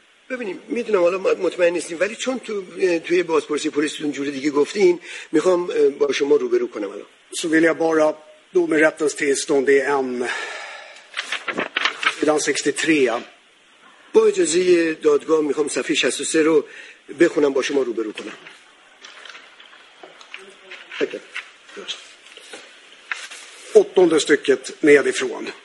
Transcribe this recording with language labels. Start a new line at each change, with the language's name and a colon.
Persian: ببینیم میدونم حالا مطمئن نیستیم ولی چون تو توی بازپرسی پلیستون جوری دیگه گفتین میخوام با شما روبرو کنم الان.
Swedish: Så vill jag bara då med rättens tillstånd det är M sidan 63.
Persian: با اجازه دادگاه میخوام صفحه 63 رو بخونم با شما روبرو کنم.
Swedish: Tackar. Åttonde stycket nedifrån.